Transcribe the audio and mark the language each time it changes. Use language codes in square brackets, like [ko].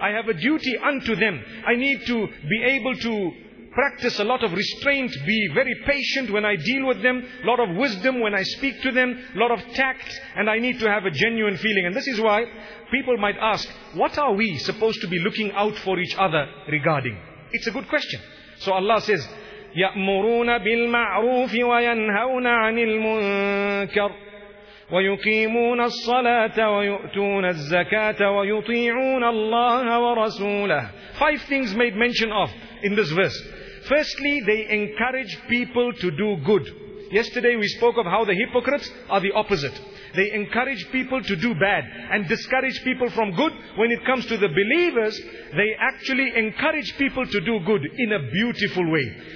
[en] I have a duty unto them. I need to be able to practice a lot of restraint, be very patient when I deal with them, lot of wisdom when I speak to them, lot of tact, and I need to have a genuine feeling. And this is why people might ask, what are we supposed to be looking out for each other regarding? It's a good question. So Allah says, [ar] يَأْمُرُونَ بِالْمَعْرُوفِ وَيَنْهَوْنَ عَنِ الْمُنْكَرِ وَيُقِيمُونَ الصَّلَاةَ وَيُؤْتُونَ الزَّكَاةَ وَيُطِيعُونَ اللَّهَ وَرَسُولَهُ. [en] Five things made mention of in this verse. Firstly, they encourage people to do good. Yesterday we spoke of how the hypocrites are the opposite. They encourage people to do bad and discourage people from good. When it comes to the believers, they actually encourage people to do good in a beautiful way.